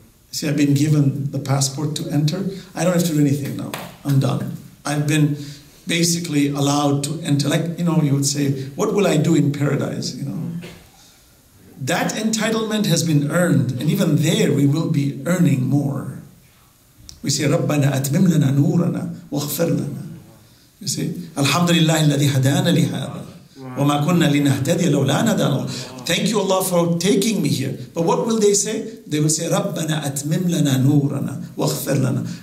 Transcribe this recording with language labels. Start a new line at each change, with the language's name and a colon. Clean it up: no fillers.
English: See, I've been given the passport to enter. I don't have to do anything now. I'm done. I've been basically allowed to enter, like, you know, you would say, what will I do in paradise, you know? That entitlement has been earned, and even there we will be earning more. We say,
Arabic: رَبَّنَا أَتْمِمْ لَنَا نُورَنَا وَاغْفِرْ لَنَا.
English: You say,
Arabic: الْحَمْدُ لِلَّهِ الَّذِي هَدَانَ لِهَذَا وَمَا كُنَّا لِنَهْتَدِيَ لَوْلَا نَدَانَ.
English: Thank you, Allah, for taking me here. But what will they say? They will say,
Arabic: رَبَّنَا أَتْمِمْ لَنَا نُورَنَا وَاغْفِرْ لَنَا.